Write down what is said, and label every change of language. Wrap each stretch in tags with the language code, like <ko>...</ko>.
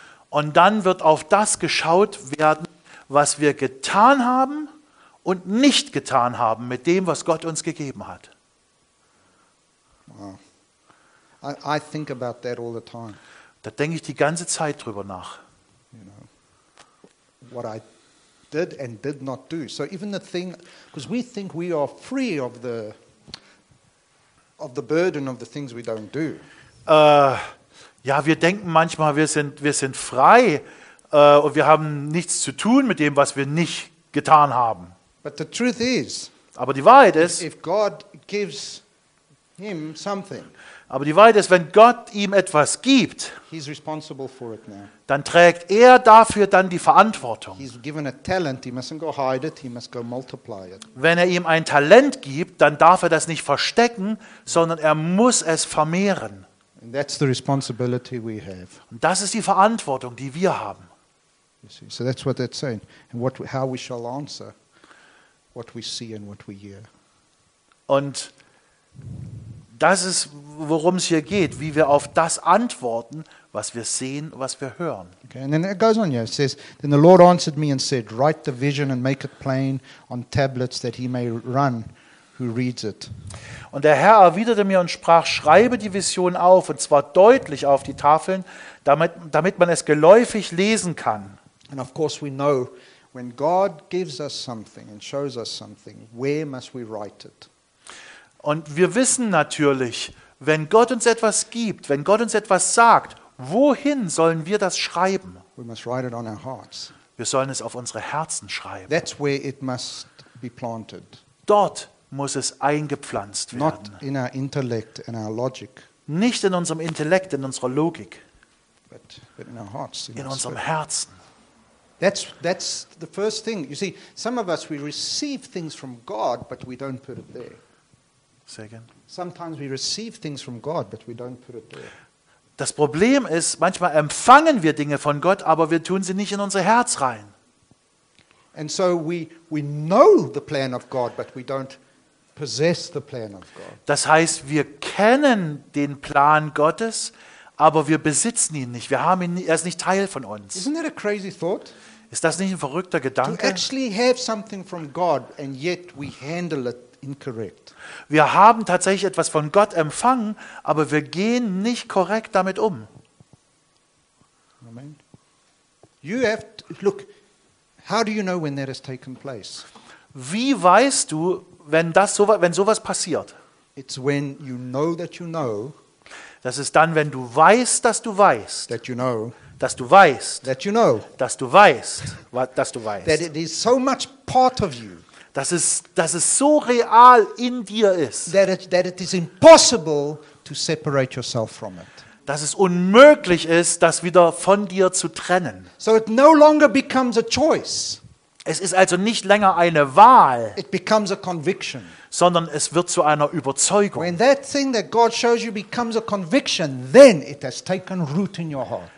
<de>Und dann wird auf das geschaut werden, was wir getan haben und nicht getan haben mit dem, was Gott uns gegeben hat. Wow.</de> <en>I think about that all the time.</en> <de>Da denke ich die ganze Zeit drüber nach.</de> <en>You know, what I did and did not do. So even the thing, because we think we are free of the burden of the things we don't do.</en> <de>Ja, wir denken manchmal, wir sind frei und wir haben nichts zu tun mit dem, was wir nicht getan haben.</de> <en>But the truth is,</en> <de>aber die Wahrheit ist,</de> <en>if God gives him something.</en> <de>Aber die Wahrheit ist, wenn Gott ihm etwas gibt,</de> <en>he's responsible for it now.</en> <de>Dann trägt er dafür dann die Verantwortung.</de> <en>He's given a talent, he mustn't go hide it, he must go multiply it.</en> <de>Wenn er ihm ein Talent gibt, dann darf er das nicht verstecken, sondern er muss es vermehren.</de> <en>And that's the responsibility we have.</en> <de>Und das ist die Verantwortung, die wir haben.</de> <en>So that's what that's saying. And what, how we shall answer what we see and what we hear.</en> <de>Und das ist, worum es hier geht, wie wir auf das antworten, was wir sehen, was wir hören.</de> <en>Okay, and then it goes on. Yeah, it says, then the Lord answered me and said, write the vision and make it plain on tablets that he may run who reads it.</en> <de>Und der Herr erwiderte mir und sprach, schreibe die Vision auf und zwar deutlich auf die Tafeln, damit man es geläufig lesen kann.</de> <en>And of course we know, when God gives us something and shows us something, where must we write it?</en> <de>Und wir wissen natürlich, wenn Gott uns etwas gibt, wenn Gott uns etwas sagt, wohin sollen wir das schreiben?</de> <en>We must write it on our hearts.</en> <de>Wir sollen es auf unsere Herzen schreiben.</de> <en>That's where it must be planted.</en> <de>Dort muss es eingepflanzt werden.</de> <en>Not in our intellect and our logic.</en> <de>Nicht in unserem Intellekt, in unserer Logik.</de> <en>But in our hearts,</en> <de>in unserem Herzen.</de> <en>That's the first thing. You see, some of us, we receive things from God, but we don't put it there. Say again. Sometimes we receive things from God, but we don't put it there.</en> <de>Das Problem ist, manchmal empfangen wir Dinge von Gott, aber wir tun sie nicht in unser Herz rein.</de> <en>And so we know the plan of God, but we don't possess the plan of God.</en> <de>Das heißt, wir kennen den Plan Gottes, aber wir besitzen ihn nicht. Wir haben ihn, er ist nicht Teil von uns.</de> <en>Isn't that a crazy thought?</en> <de>Ist das nicht ein verrückter Gedanke?</de> <en>To actually have something from God and yet we handle it incorrect.</en> <de>Wir haben tatsächlich etwas von Gott empfangen, aber wir gehen nicht korrekt damit um. Amen.</de> <en>You have to, look, how do you know when that has taken place?</en> <de>Wie weißt du, wenn sowas passiert?</de> <en>It's when you know that you know.</en> <de>Das ist dann, wenn du weißt, dass du weißt.</de> <en>That you know.</en> <de>Dass du weißt.</de> <en>That you know.</en> <de>Dass du weißt, dass du weißt.</de> <en>That it is so much part of you.</en> <de>Dass es so real in dir ist.</de> <en>That it is impossible to separate yourself from it.</en> <de>Dass es unmöglich ist, das wieder von dir zu trennen.</de> <en>So it no longer becomes a choice.</en> <de>Es ist also nicht länger eine Wahl,</de> <en>it becomes a conviction.</en> <de>Sondern es wird zu einer Überzeugung.</de> <en>When that thing that God shows you becomes a conviction, then it has taken root in your heart.</en>